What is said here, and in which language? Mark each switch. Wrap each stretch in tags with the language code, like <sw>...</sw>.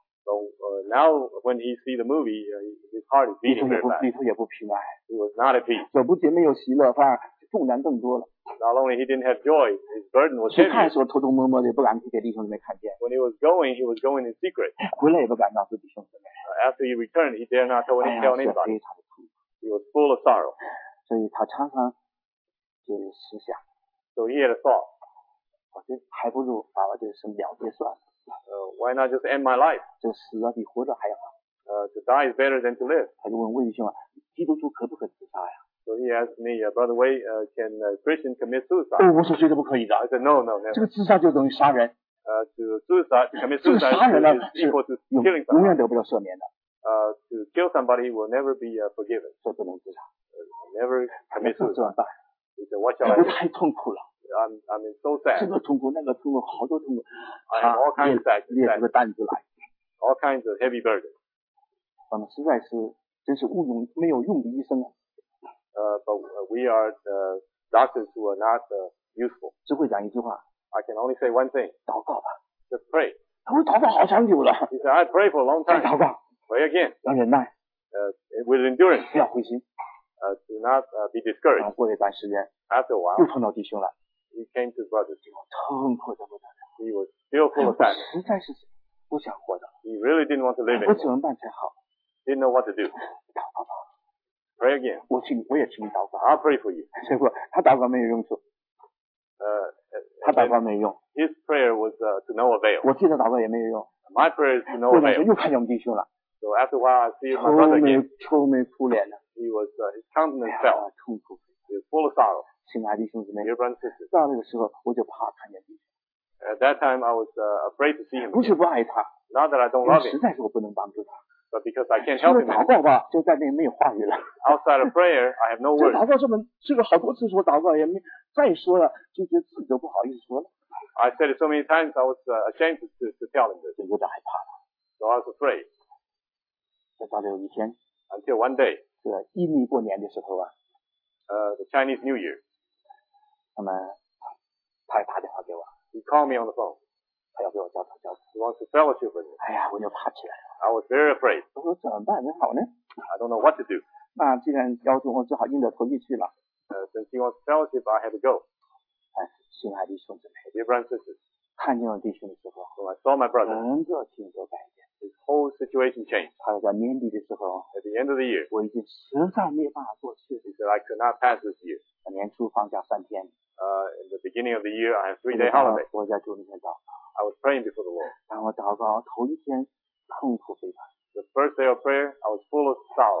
<en>So now, when he sees the movie, his heart is beating very fast.</en> <zh>里头也不平安。</zh> <en>He was not at peace.</en> <zh>所以不仅没有喜乐，反而重担更多了。</zh> <en>Not only he didn't have joy, his burden was heavy.</en> <zh>去看的时候偷偷摸摸的，不敢给弟兄姊妹看见。</zh> <en>When he was going in secret.</en> <zh>回来也不敢告诉弟兄姊妹。</zh> <en>After he returned, he dared not tell anybody.</en> <zh>哎呀，</zh> <en>He was full of sorrow.</en> <zh>所以他常常就是思想。</zh> <en>So he had a thought.</en> <zh>我这还不如把我这生了结算了。</zh> <en>Why not just end my life?</en> <zh>这死了比活着还要好。</zh> <en>To die is better than to live.</en> <zh>他就问魏弟兄啊，基督徒可不可自杀呀？</zh> <en>So he asked me, Brother Wei, can a Christian commit suicide?</en> <zh>我说绝对不可以的。</zh> <en>I said, no.</en> <zh>这个自杀就等于杀人。</zh> <en>To commit suicide</en> <zh>这个杀人呢</zh> <en>is equal to killing someone.</en> <zh>永远得不了赦免的。</zh> <en>To kill somebody will never be forgiven.</en> <zh>这不能自杀。</zh> <en>Never commit suicide. He said, what shall I do?</en> <zh>太痛苦了。</zh> <en>I'm so sad.</en> <zh>这个痛苦，那个痛苦，好多痛苦。</zh> <en>I have all kinds of sad.</en> <zh>列了个担子来。</zh> <en>All kinds of heavy burden.</en> <zh>我们实在是真是无用没有用的医生啊。</zh> <en>But we are the doctors who are not useful.</en> <zh>只会讲一句话。</zh> <en>I can only say one thing.</en> <zh>祷告吧。</zh> <en>Just pray.</en> <zh>他说祷告好长久了。</zh> <en>He said, I pray for a long time.</en> <zh>再祷告。</zh> <en>Pray again.</en> <zh>要忍耐。</zh> <en>With endurance.</en> <zh>不要灰心。</zh> <en>Do not be discouraged.</en> <zh>过一段时间。</zh> <en>After a while.</en> <zh>又碰到弟兄了。</zh> <en>He came to his brother's home.</en> <zh>痛苦的不得了。</zh> <en>He was still full of sadness.</en> <zh>实在是不想活的。</zh> <en>He really didn't want to live anymore.</en> <zh>我怎么办才好。</zh> <en>Didn't know what to do.</en> <zh>祷告吧。</zh> <en>Pray again.</en> <zh>我也请你祷告。</zh> <en>I'll pray for you.</en> <zh>结果他祷告没有用处。他祷告没用。</zh> <en>His prayer was to no avail.</en> <zh>我记得祷告也没有用。</zh> <en>My prayer is no avail.</en> <zh>又看见我们弟兄了。</zh> <en>So after a while, I see my brother again.</en> <zh>愁眉苦脸的。</zh> <en>He was, his countenance fell.</en> <zh>痛苦。</zh> <en>He was full of sorrow.</en> <zh>亲爱的弟兄姊妹。</zh> <en>Dear brothers and sisters.</en> <zh>到那个时候，我就怕看见弟兄。</zh> <en>At that time, I was afraid to see him.</en> <zh>不是不爱他。</zh> <en>Not that I don't love him.</en> <zh>实在是我不能帮助他。</zh> <en>But because I can't help him.</en> <zh>除了祷告吧，就再没有话语了。</zh> <en>Outside of prayer, I have no words.</en> <zh>这祷告这么，这个好多次说祷告也没，再说了，就觉得自己都不好意思说了。</zh> <en>I said it so many times, I was ashamed to tell him this.</en> <zh>有点害怕了。</zh> <en>So I was afraid.</en> <zh>再到了有一天。</zh> <en>Until one day.</en> <zh>是阴历过年的时候啊。</zh> <en>The Chinese New Year.</en> <zh>那么，他也打电话给我。</zh> <en>He called me on the phone.</en> <zh>他要给我交谈交谈。</zh> <en>He wants to fellowship with me.</en> <zh>哎呀，我就怕起来了。</zh> <en>I was very afraid.</en> <zh>我说怎么办才好呢？</zh> <en>I don't know what to do.</en> <zh>那既然要求我只好硬着头皮去了。</zh> <en>Since he wants fellowship, I have to go.</en> <zh>哎，亲爱的弟兄姊妹。</zh> <en>Dear brothers and sisters.</en> <zh>看见我弟兄的时候。</zh> <en>When I saw my brother.</en> <zh>整个情都改变。</zh> <en>His whole situation changed.</en> <zh>他在年底的时候。</zh> <en>At the end of the year.</en> <zh>我已经实在没办法过去。</zh> <en>He said I could not pass this year.</en> <zh>年初放假三天。</zh> <en>In the beginning of the year, I have three-day holiday.</en> <zh>我在主里面祷告。</zh> <en>I was praying before the Lord.</en> <zh>当我祷告头一天，痛苦非常。</zh> <en>The first day of prayer, I was full of sorrow.</en>